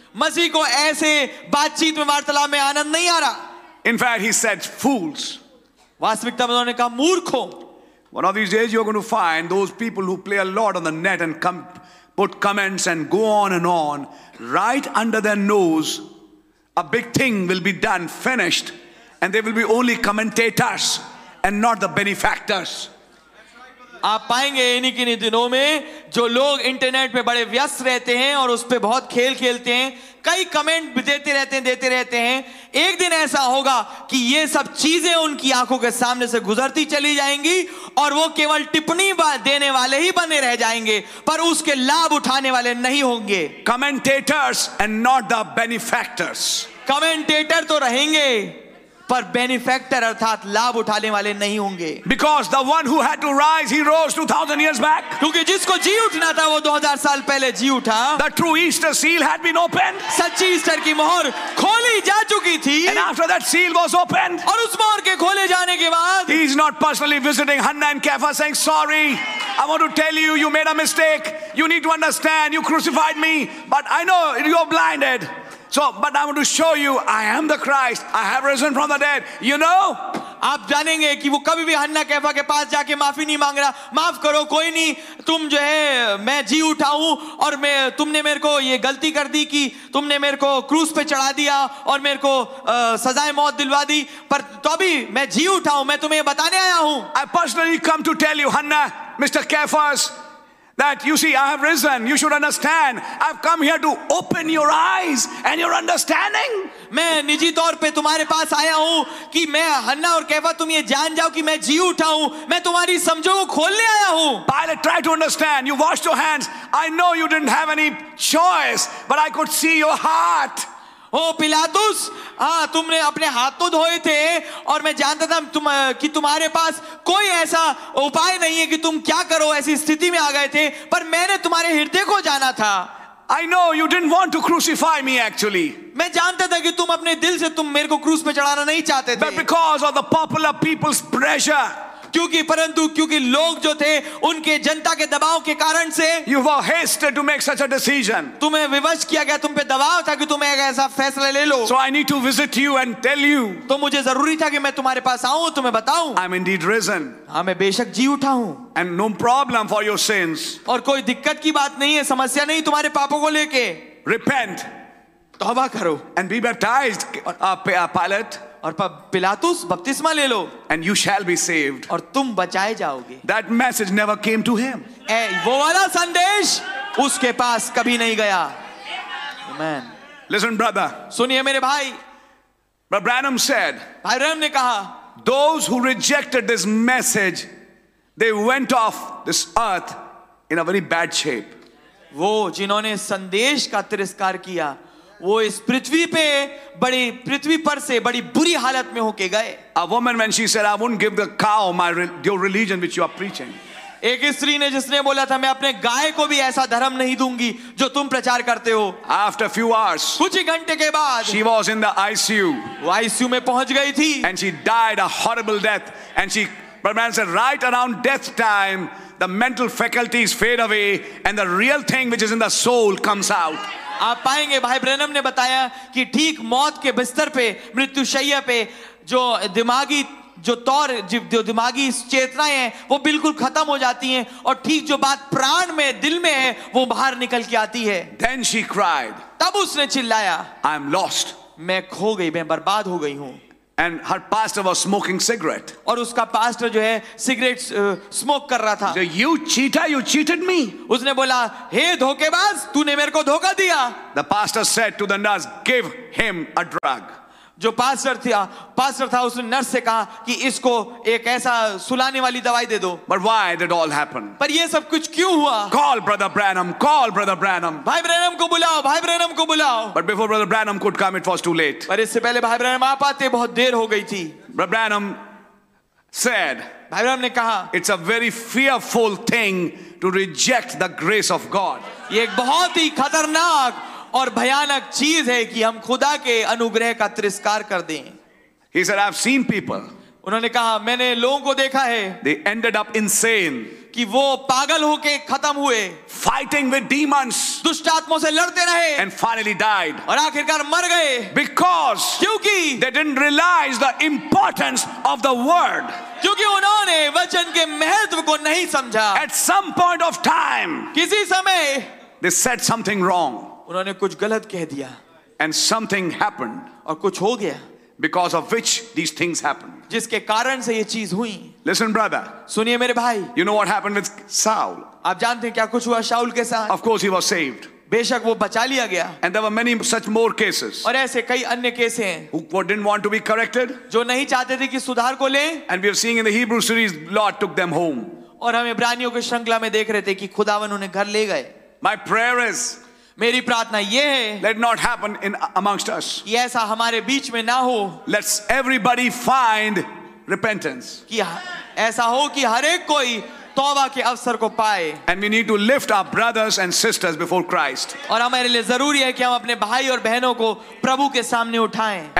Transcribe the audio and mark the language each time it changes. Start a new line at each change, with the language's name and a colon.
Hindi: मसीह को ऐसे बातचीत में वार्तालाप में आनंद नहीं आ रहा.
English: In fact, he said, fools.
Hindi: वास्तविकता में उन्होंने कहा मूर्ख हो.
English: One of these days you are going to find those people who play a lot on the net and put comments and go on, right under their nose, a big thing will be done, finished. And they will be only commentators and not the benefactors.
Hindi: आप पाएंगे इन्हीं किन्हीं दिनों में जो लोग internet पे बड़े व्यस्त रहते हैं और उस पे बहुत खेल खेलते हैं, कई कमेंट देते रहते हैं. एक दिन ऐसा होगा कि ये सब चीजें उनकी आंखों के सामने से गुजरती चली जाएंगी और वो केवल टिप्पणी देने वाले ही बने रह जाएंगे पर उसके लाभ उठाने वाले नहीं होंगे.
English: Commentators and not the benefactors.
Hindi: Commentator तो रहेंगे पर बेनिफैक्टर अर्थात लाभ उठाने वाले नहीं होंगे.
English: Because the one who had to rise he rose 2000 years back.
Hindi: क्योंकि जिसको जी उठना था वो 2000 साल पहले जी उठा.
English: The true Easter seal had been opened.
Hindi: सच्ची ईस्टर की मोहर खोली जा चुकी थी.
English: And after that seal was opened.
Hindi: और उस मोहर के खोले जाने के बाद
English: He is not personally visiting Hannah and Caiaphas saying sorry I want to tell you you made a mistake you need to understand you crucified me but I know you are blinded. So, but I want to show you, I am the Christ. I have risen from the dead. You know?
Hindi: आप जानेंगे कि वो कभी भी हन्ना कैफा के पास जाके माफी नहीं मांग रहा. माफ करो कोई नहीं, तुम जो है मैं जी उठा हूं और मैं तुमने मेरे को ये गलती कर दी कि तुमने मेरे को क्रूस पे चढ़ा दिया और मेरे को सजाए मौत दिलवा दी पर तो भी मैं जी उठा हूं. मैं तुम्हें बताने आया हूं.
English: I personally come to tell you, Hanna, Mr. Caiaphas, that you see, I have risen. You should understand. I've come here to open your eyes and your understanding.
Hindi: मैं निजी तौर पे तुम्हारे पास आया हूँ कि मैं हन्ना और कैफा तुम ये जान जाओ कि मैं जी उठा हूँ. मैं तुम्हारी समझों को खोलने आया हूँ.
English: Pilate tried to understand. You washed your hands. I know you didn't have any choice, but I could see your heart.
Hindi: ओ पिलातुस, हाँ तुमने अपने हाथ तो धोए थे और मैं जानता था कि तुम्हारे पास कोई ऐसा उपाय नहीं है कि तुम क्या करो. ऐसी स्थिति में आ गए थे, पर मैंने तुम्हारे हृदय को जाना था.
English: I know you didn't want to crucify me actually.
Hindi: मैं जानता था कि तुम अपने दिल से तुम मेरे को क्रूस पे चढ़ाना नहीं चाहते थे.
English: But because of the popular people's pressure.
Hindi: क्योंकि लोग जो थे उनके जनता के दबाव के कारण से.
English: You were hasted to make such a decision.
Hindi: तुम्हें विवश किया गया, तुम पे दबाव था कि तुम एक ऐसा फैसला ले लो.
English: So I need to visit you and tell you.
Hindi: तो मुझे जरूरी था कि मैं तुम्हारे पास आऊं, तुम्हें बताऊं.
English: I'm indeed risen.
Hindi: हाँ, मैं बेशक जी उठा हूँ.
English: And no problem for your sins.
Hindi: और कोई दिक्कत की बात नहीं है, समस्या नहीं तुम्हारे पापों को लेके.
English: Repent.
Hindi: तौबा करो.
English: And be baptized. Pilate.
Hindi: और पिलातुस, बपतिस्मा ले लो.
English: And you shall be saved.
Hindi: और तुम बचाए जाओगे.
English: That message never came to him.
Hindi: वो वाला संदेश उसके पास कभी नहीं गया.
English: Amen. Listen, brother.
Hindi: सुनिए मेरे भाई.
English: But Branham said.
Hindi: भाई ब्रैनम ने कहा.
English: Those who rejected this message, they went off this earth in a very bad shape.
Hindi: वो जिन्होंने संदेश का तिरस्कार किया, वो इस पृथ्वी पे बड़ी पृथ्वी पर से बड़ी बुरी हालत में होके गए.
English: A woman when she said, I wouldn't give the cow my your religion which you are preaching.
Hindi: एक स्त्री ने जिसने बोला था मैं अपने गाय को भी ऐसा धर्म नहीं दूंगी जो तुम प्रचार करते हो.
English: After few hours,
Hindi: कुछ ही घंटे के बाद,
English: she was in the ICU.
Hindi: वो आईसीयू में पहुंच गई थी.
English: And she died a horrible death. And she, but man said, right around death time, the mental faculties fade away and the real thing which is in the soul comes out.
Hindi: आप पाएंगे, भाई Branham ने बताया कि ठीक मौत के बिस्तर पे, मृत्युशैया पे, जो दिमागी चेतनाएं हैं वो बिल्कुल खत्म हो जाती हैं और ठीक जो बात प्राण में दिल में है वो बाहर निकल के आती है.
English: Then she cried,
Hindi: तब उसने चिल्लाया,
English: I am lost.
Hindi: मैं खो गई, मैं बर्बाद हो गई हूँ.
English: And her pastor was smoking cigarette.
Hindi: और उसका पास्टर जो है सिगरेट स्मोक कर रहा था.
English: So you cheater, you cheated me.
Hindi: उसने बोला, हे धोखेबाज, तूने मेरे को धोखा दिया.
English: The pastor said to the nurse, give him a drug.
Hindi: जो पास्टर था उसने नर्स से कहा कि इसको एक ऐसा सुलाने वाली दवाई दे दो.
English: But why did all happen?
Hindi: पर ये सब कुछ क्यों हुआ?
English: Call brother Branham.
Hindi: भाई ब्रैनम को बुलाओ.
English: But before brother Branham could come, it was too late.
Hindi: पर इससे पहले भाई ब्रैनम आ पाते बहुत देर हो गई थी.
English: Brother Branham said.
Hindi: भाई ब्रैनम ने कहा.
English: It's a very fearful thing to reject the grace of God.
Hindi: ये एक बहुत ही खतरनाक और भयानक चीज है कि हम खुदा के अनुग्रह का तिरस्कार कर दें.
English: He said, I've seen people.
Hindi: उन्होंने कहा, मैंने लोगों को देखा है.
English: They ended up insane.
Hindi: कि वो पागल होके खत्म हुए.
English: Fighting with demons.
Hindi: दुष्टात्मों से लड़ते रहे.
English: And finally died.
Hindi: और आखिरकार मर गए.
English: Because.
Hindi: क्योंकि.
English: They didn't realize the importance of the word.
Hindi: क्योंकि उन्होंने वचन के महत्व को नहीं समझा.
English: At some point of time.
Hindi: किसी समय.
English: They said something wrong.
Hindi: उन्होंने कुछ गलत कह दिया.
English: And something happened.
Hindi: और कुछ हो गया.
English: Because of which these things happened.
Hindi: जिसके कारण से ये चीज हुई.
English: Listen, brother.
Hindi: सुनिए मेरे भाई.
English: You know what happened with Saul?
Hindi: आप जानते हैं क्या कुछ हुआ शाउल के साथ?
English: Of course he was saved.
Hindi: बेशक वो बचा लिया गया.
English: And there were many such more cases.
Hindi: और ऐसे कई अन्य केस हैं.
English: Who didn't want to be corrected?
Hindi: जो नहीं चाहते थे कि सुधार को ले.
English: And we are seeing in the Hebrew series, Lord took them home.
Hindi: और हम इब्रानियों के श्रृंखला में देख रहे थे कि खुदावन उन्हें घर ले गए.
English: My prayer is.
Hindi: मेरी प्रार्थना ये है.
English: Let not happen in amongst us.
Hindi: ये ऐसा हमारे बीच में ना हो.
English: Let's everybody find repentance.
Hindi: कि ऐसा हो कि हर एक कोई तौबा के अवसर को पाए.
English: And we need to lift our brothers and sisters before Christ.
Hindi: और हमारे लिए जरूरी है कि हम अपने भाई और बहनों को प्रभु के सामने उठाएं.